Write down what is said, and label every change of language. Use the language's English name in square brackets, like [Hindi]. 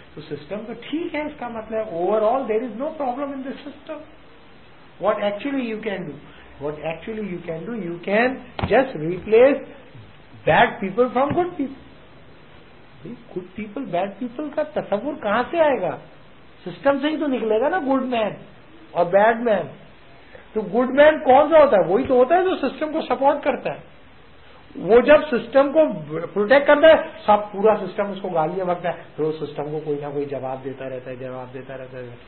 [Urdu] تو سسٹم تو ٹھیک ہے, اس کا مطلب [English] Overall there is no problem in this system. What actually you can do, you can just replace bad people from good people. Good people, bad people [Urdu] کا تصور کہاں سے آئے گا؟ سسٹم سے ہی تو نکلے گا نا, گڈ مین اور بیڈ مین. تو گڈ مین کون سا ہوتا ہے؟ وہی تو ہوتا ہے جو سسٹم کو سپورٹ کرتا ہے. وہ جب سسٹم کو پروٹیکٹ کرتا ہے سب پورا سسٹم اس کو گالیاں بکتا ہے, پھر وہ سسٹم کو کوئی نہ کوئی جواب دیتا رہتا ہے.